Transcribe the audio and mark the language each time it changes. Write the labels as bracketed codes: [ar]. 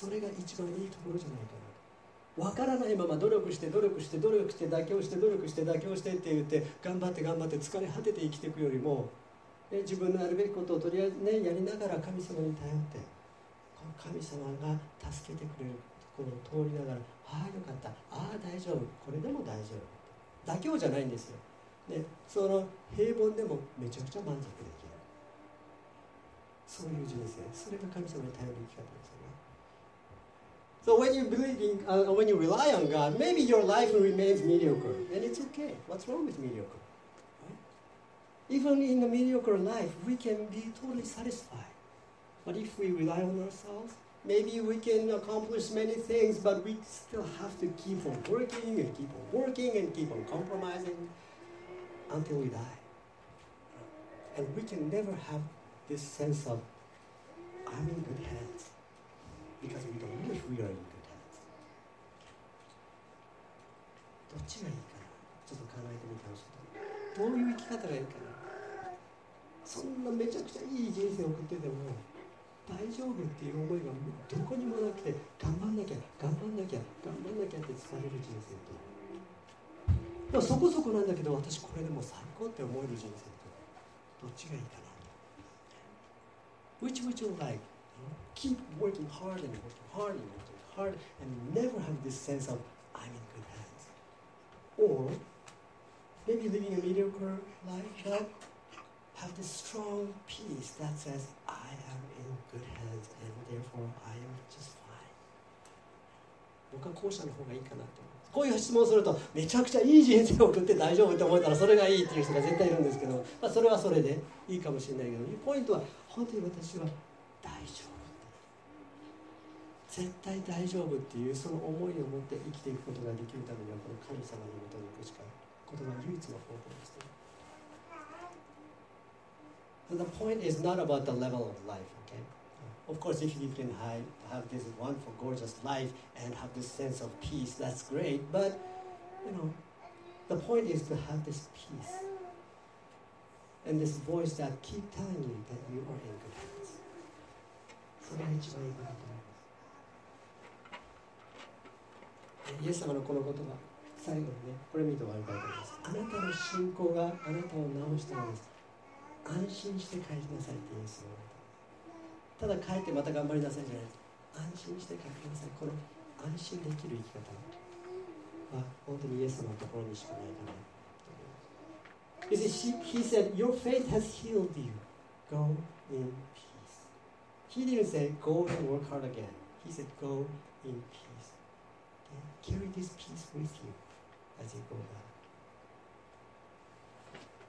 [ja] それが一番いいところじゃないかな。分からないまま努力して努力して努力して妥協して努力して妥協してって言って頑張って頑張って疲れ果てて生きていくよりも、ね、自分のやるべきことをとりあえずねやりながら神様に頼って、この神様が助けてくれるところを通りながら、ああよかった、ああ大丈夫、これでも大丈夫、妥協じゃないんですよ。でその平凡でもめちゃくちゃ満足できる、そういう人生、それが神様に頼る生き方ですよね。 [en] So when you believe in, when you rely on God, maybe your life remains mediocre, and it's okay. What's wrong with mediocre? Right? Even in a mediocre life, we can be totally satisfied. But if we rely on ourselves, maybe we can accomplish many things, but we still have to keep on working and keep on working and keep on compromising until we die. And we can never have this sense of, I'm in good hands. Because we don't know if we are in good hands. [ja] どっちがいいかな、ちょっと考えてみてほしい。どういう生き方がいいかな。そんなめちゃくちゃいい人生を送ってても大丈夫っていう思いがどこにもなくて、頑張んなきゃ頑張んなきゃ頑張んなきゃって疲れる人生と、まあ、そこそこなんだけど私これでもう最高って思える人生と、どっちがいいかな。 [en] Which would you like? Keep working hard and working hard and working hard and never have this sense of I'm in good hands. Or maybe living a mediocre life, but have this strong peace that says I am in good hands and therefore I am just fine. [ja] 僕は後者の方がいいかなと思います。こういう質問をするとめちゃくちゃいい人生を送って大丈夫と思ったらそれがいいっていう人が絶対いるんですけど、まあ、それはそれでいいかもしれないけど、ポイントは本当に私は大丈夫、絶対大丈夫っていうその思いを持って生きていくことができるためには、この神様のもとに行くしかない、ことが唯一の方法です。 [en] So the point is not about the level of life, okay? Of course, if you can have this wonderful, gorgeous life and have this sense of peace, that's great. But, you know, the point is to have this peace and this voice that keep telling you that you are in good hands. [ja] それが一番いいことです。イエス様のこの言葉、最後にね、これ見て終わりたいと思います。あなたの信仰があなたを治したのです。安心して帰りなさいってイエス様が。ただ帰ってまた頑張りなさいじゃない。安心して帰りなさい。この安心できる生き方は本当にイエス様のところにしかないかな。 [en] You see, he said, your faith has healed you. Go in peace. He didn't say, go and work hard again. He said, go in peace. Carry this peace with you as you go back.